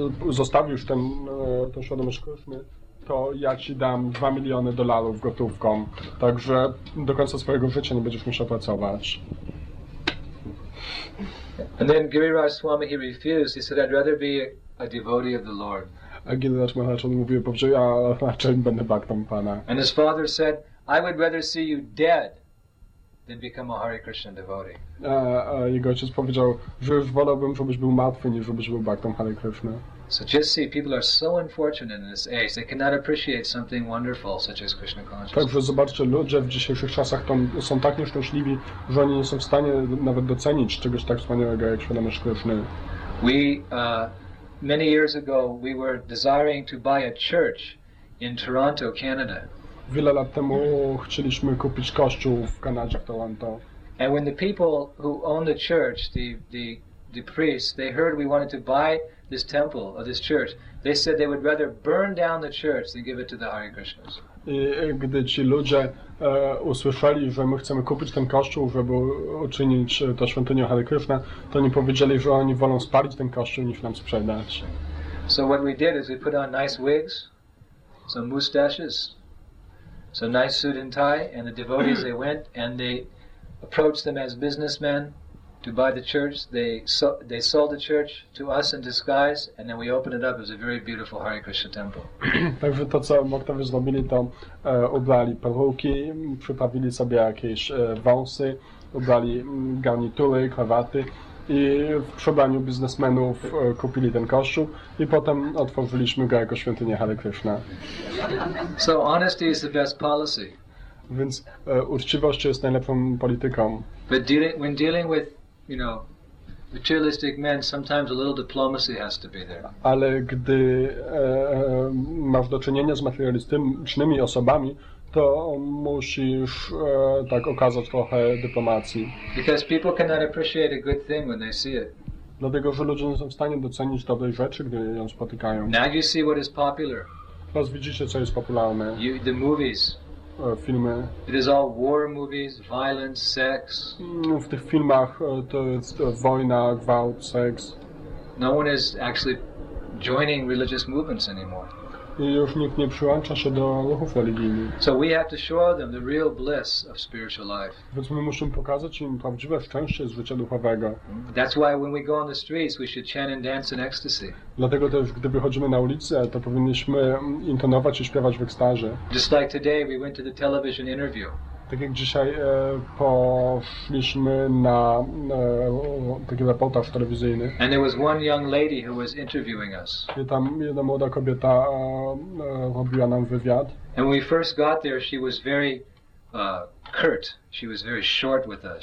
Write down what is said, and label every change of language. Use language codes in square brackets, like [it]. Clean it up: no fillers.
[pl] Zostawisz tę świadomość Kryszny, to ja ci dam 2 miliony dolarów gotówką. Także do końca swojego życia nie będziesz musiał pracować. [en] And then Giriraj Swami, he refused. He said, I'd rather be a devotee of the Lord. [pl] A Giriraj Maharaj mówił, że ja raczej będę bhaktą Pana. [en] And his father said, I would rather see you dead than become a Hare Krishna devotee. [pl] Jego ojciec powiedział, że już wolałbym, żebyś był martwy, niż żebyś był bhaktą Hare Krishna. [en] So just see, people are so unfortunate in this age, they cannot appreciate something wonderful such as Krishna consciousness. [pl] Także zobaczcie, ludzie w dzisiejszych czasach są tak nieszczęśliwi, że oni nie są w stanie nawet docenić czegoś tak wspaniałego jak świadomość Krishna. [en] We, many years ago, we were desiring to buy a church in Toronto, Canada. [pl] Wiele lat temu chcieliśmy kupić kościół w Kanadzie, w Toronto. [en] And when the people who owned the church, the priests, they heard we wanted to buy this temple or this church, they said they would rather burn down the church than give it to the Hare Krishnas. [pl] I gdy ci ludzie usłyszeli, że my chcemy kupić ten kościół, żeby uczynić to świątynią Hare Krishna, to oni powiedzieli, że oni wolą spalić ten kościół niż nam sprzedać. [en] So what we did is we put on nice wigs, some mustaches. So nice suit and tie, and the devotees, they went and they approached them as businessmen to buy the church. They sold the church to us in disguise, and then we opened it up as a very beautiful Hare Krishna temple. [pl] Także to, co Moktowie zrobili, to ubrali peruki, przyprawili sobie jakieś wąsy, ubrali garnitury, krawaty i w przebraniu biznesmenów kupili ten kościół i potem otworzyliśmy go jako świątynię Hare Krishna. [en] So honesty is the best policy. [pl] Więc uczciwość jest najlepszą polityką. [en] But when dealing with, you know, materialistic men, sometimes a little diplomacy has to be there. [pl] Ale gdy masz do czynienia z materialistycznymi osobami, to musisz tak okazać trochę dyplomacji. [en] Because people cannot appreciate a good thing when they see it. [pl] Dlatego, że ludzie nie są w stanie docenić dobrej rzeczy, gdy ją spotykają. [en] Now you see what is popular. [pl] Teraz widzicie, co jest popularne. [en] The movies. [pl] Filmy. [en] It is all war movies, violence, sex. [pl] W tych filmach to jest wojna, gwałt, seks. [en] No one is actually joining religious movements anymore. [pl] I już nikt nie przyłącza się do ruchów religijnych. [en] So we have to show them the real bliss of spiritual life. [pl] Więc my musimy pokazać im prawdziwe szczęście z życia duchowego. [en] That's why when we go on the streets, we should chant and dance in ecstasy. [pl] Dlatego też, gdy wychodzimy na ulicę, to powinniśmy intonować i śpiewać w ekstazie. [en] Just like today, we went to the television interview. [pl] Tak jak dzisiaj poszliśmy na taki reportaż telewizyjny. [en] And there was one young lady who was interviewing us. [pl] I tam jedna młoda kobieta robiła nam wywiad. [en] And when we first got there, she was very curt. She was very short with us.